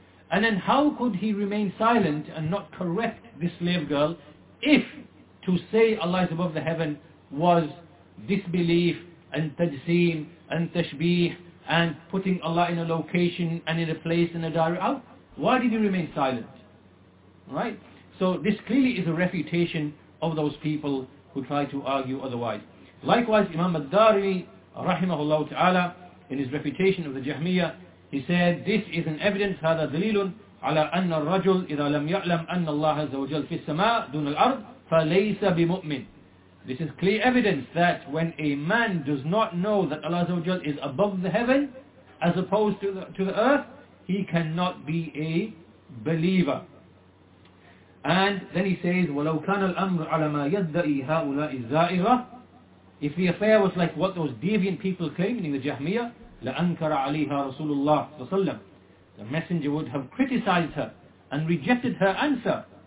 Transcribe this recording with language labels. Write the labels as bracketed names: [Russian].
[English] And then how could he remain silent and not correct this slave girl if to say Allah is above the heaven was disbelief and tajseem and tashbih and putting Allah in a location and in a place and a direction? Why did he remain silent? Right? So this clearly is a refutation of those people who try to argue otherwise. Likewise, Imam al-Dari, rahimahullah ta'ala, in his refutation of the Jahmiyyah, he said, this is an evidence, [Arabic] هذا دليل على أن الرجل إذا لم يعلم أن الله عز وجل في السماء دون الأرض فليس بمؤمن. [English] This is clear evidence that when a man does not know that Allah عز وجل is above the heaven as opposed to the earth, he cannot be a believer. And then he says, [Arabic] ولو كان الأمر على ما يدعي هؤلاء الزائغة, [English] if the affair was like what those deviant people claim, meaning the Jahmiyyah, [Arabic] لَأَنْكَرَ عَلِيهَا رَسُولُ اللَّهِ صَلَّى اللَّهُ عَلَيْهِ وَسَلَّمَ, [English] the Messenger would have criticized her and rejected her answer.